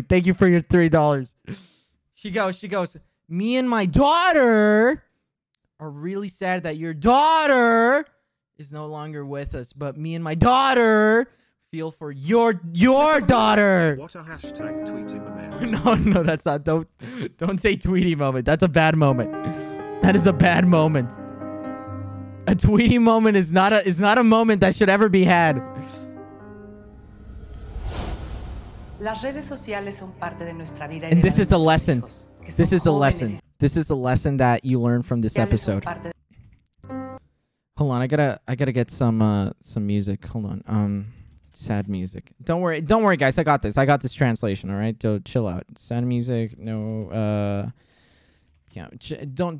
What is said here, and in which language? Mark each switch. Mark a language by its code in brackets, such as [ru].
[en] Thank you for your $3. She goes, me and my daughter are really sad that your daughter is no longer with us, but me and my daughter feel for your daughter. What a hashtag Tweety moment. No, that's not. Don't say Tweety moment. That's a bad moment. That is a bad moment. A Tweety moment is not a moment that should ever be had. [es] Las redes sociales son parte de nuestra vida. [en] And this is the lesson. This is the lesson. This is the lesson that you learn from this episode. Hold on, I gotta get some music. Hold on. Sad music. Don't worry, guys. I got this. I got this translation. All right. Don't chill out. Sad music. No. Yeah. Don't.